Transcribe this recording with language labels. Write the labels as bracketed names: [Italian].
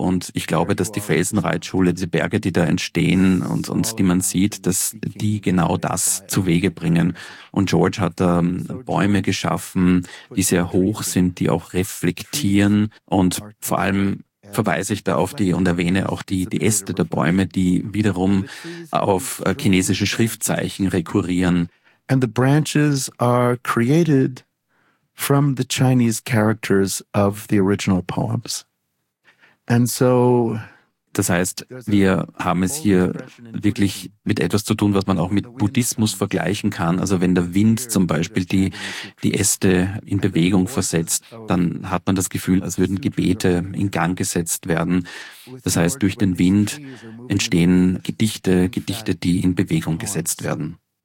[German] Und ich glaube, dass die Felsenreitschule, diese Berge, die da entstehen und die man sieht, dass die genau das zu Wege bringen. Und George hat da Bäume geschaffen, die sehr hoch sind, die auch reflektieren und vor allem verweise ich da auf die und erwähne auch die Äste der Bäume, die wiederum auf chinesische Schriftzeichen rekurrieren. [English] And the branches are created from the Chinese characters of the original poems. And so [German] Das heißt, wir haben es hier wirklich mit etwas zu tun, was man auch mit Buddhismus vergleichen kann. Also wenn der Wind zum Beispiel die Äste in Bewegung versetzt, dann hat man das Gefühl, als würden Gebete in Gang gesetzt werden. Das heißt, durch den Wind entstehen Gedichte, die in Bewegung gesetzt werden.